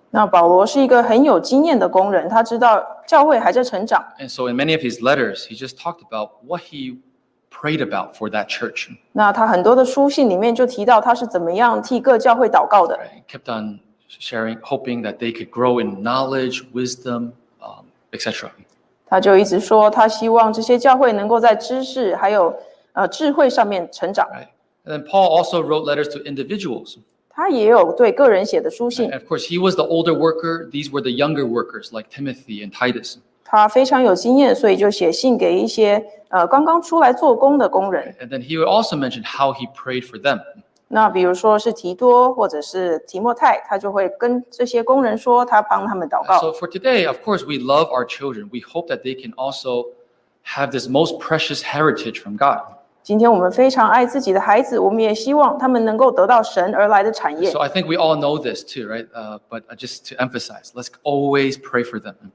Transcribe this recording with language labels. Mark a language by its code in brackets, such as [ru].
[zh] 那保罗是一个很有经验的工人，他知道教会还在成长。 [en] And so in many of his letters, he just talked about what he prayed about for that church. [zh] 那他很多的书信里面就提到他是怎么样替各教会祷告的。 [en] Right, kept on sharing, hoping that they could grow in knowledge, wisdom, etc. [zh] 他就一直说他希望这些教会能够在知识还有智慧上面成长。 [en] Right. And then Paul also wrote letters to individuals. [zh] 他也有对个人写的书信。 [en] Of course, he was the older worker. These were the younger workers, like Timothy and Titus. [zh] 他非常有经验，所以就写信给一些刚刚出来做工的工人。 [en] And then he would also mention how he prayed for them. [zh] 那比如说是提多或者是提摩太，他就会跟这些工人说，他帮他们祷告。 [en] So for today, of course, we love our children. We hope that they can also have this most precious heritage from God. [zh] 今天我们非常爱自己的孩子，我们也希望他们能够得到神而来的产业。 [en] So I think we all know this too, right? But just to emphasize, let's always pray for them.